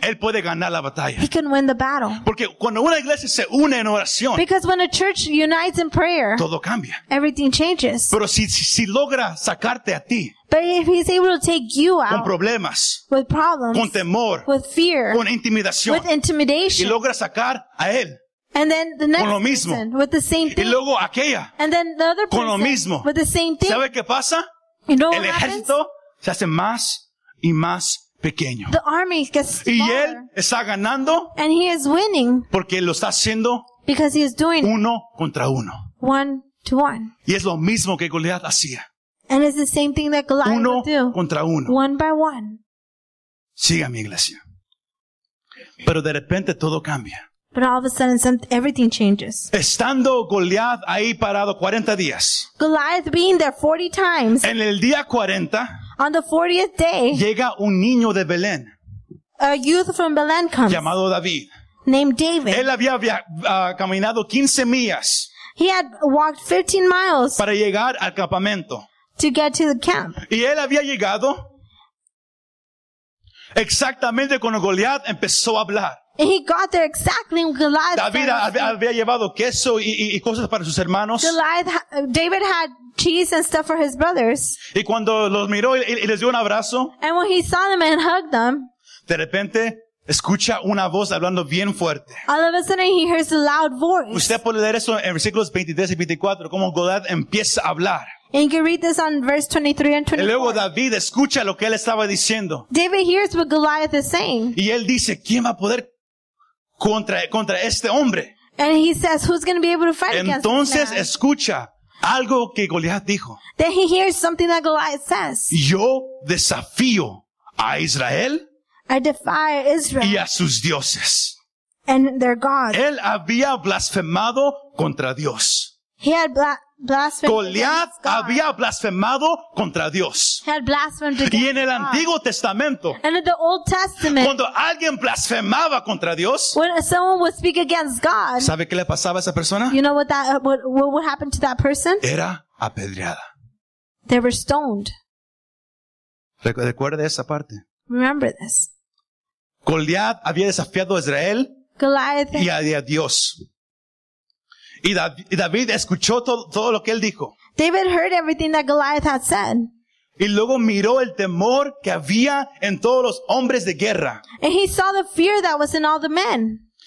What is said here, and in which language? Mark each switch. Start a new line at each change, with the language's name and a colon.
Spanish: Él puede ganar la batalla.
English: He can win the battle.
Spanish: Porque cuando una iglesia se une en oración.
English: Because when a church unites in prayer.
Spanish: Todo cambia.
English: Everything changes.
Spanish: Pero si logra sacarte a ti.
English: But if he's able to take you out
Spanish: con problemas,
English: with problems,
Spanish: con temor,
English: with fear,
Spanish: con intimidación,
English: with intimidation,
Spanish: y logra sacar a él,
English: and then the next
Spanish: con lo mismo,
English: person with the same thing,
Spanish: y luego aquella,
English: and then the other person
Spanish: con lo mismo,
English: with the same thing.
Spanish: ¿Sabe qué pasa?
English: You know
Spanish: el ejército
English: happens?
Spanish: Se hace más y más pequeño.
English: The army gets smaller,
Spanish: y él está ganando
English: and he is winning
Spanish: porque lo está haciendo
English: because he is doing
Spanish: uno contra uno.
English: One to one.
Spanish: Y es lo mismo que Goliat hacía.
English: And it's the same thing that Goliath
Spanish: uno
English: would do.
Spanish: Contra uno.
English: One by one.
Spanish: Siga mi iglesia. Pero de repente todo cambia.
English: But all of a sudden everything changes.
Spanish: Estando Goliath ahí parado 40 días.
English: Goliath being there 40 times.
Spanish: En el día 40.
English: On the 40th day,
Spanish: llega un niño de Belén.
English: A youth from Belén comes.
Spanish: Llamado David.
English: Named David.
Spanish: Él había caminado 15 millas.
English: He had walked 15 miles.
Spanish: Para llegar al campamento.
English: To get to the camp.
Spanish: Y él había llegado exactamente cuando Goliat empezó a hablar.
English: And he got there exactly when Goliath
Spanish: David había llevado queso y cosas para sus hermanos.
English: David had cheese and stuff for his brothers.
Spanish: Y cuando los miró y les dio un abrazo.
English: And when he saw them and hugged them.
Spanish: De repente, escucha una voz hablando bien fuerte.
English: All of a sudden he hears a loud voice.
Spanish: Usted puede leer eso en versículos 23 y 24, cómo Goliat empieza a hablar.
English: And you can read this on verse 23 and 24.
Spanish: Y luego David escucha lo que él estaba diciendo.
English: David hears what Goliath is saying.
Spanish: Y él dice, ¿quién va a poder contra este hombre?
English: And he says, who's going to be able to fight against him?
Spanish: Entonces escucha algo que Goliat dijo.
English: Then he hears something that Goliath says.
Spanish: Yo desafío a Israel.
English: I defy Israel.
Spanish: Y a sus dioses.
English: And their gods.
Spanish: Él había blasfemado contra Dios.
English: He had blasphemed
Spanish: Goliat
English: God.
Spanish: Había blasfemado contra Dios.
English: He had blasphemed against
Spanish: y en el Antiguo Testamento,
English: and in the Old Testament,
Spanish: cuando alguien blasfemaba contra Dios,
English: when someone would speak against God,
Spanish: ¿sabe qué le pasaba a esa persona?
English: You know what would happen to that person?
Spanish: Era apedreada.
English: They were stoned.
Spanish: Recuerde esa parte.
English: Remember this.
Spanish: Goliat había desafiado a Israel.
English: Goliath.
Spanish: Y a Dios. Y David escuchó todo lo que él dijo.
English: David heard everything that Goliath had said.
Spanish: Y luego miró el temor que había en todos los hombres de guerra.
English: And he saw the fear that was in all the men.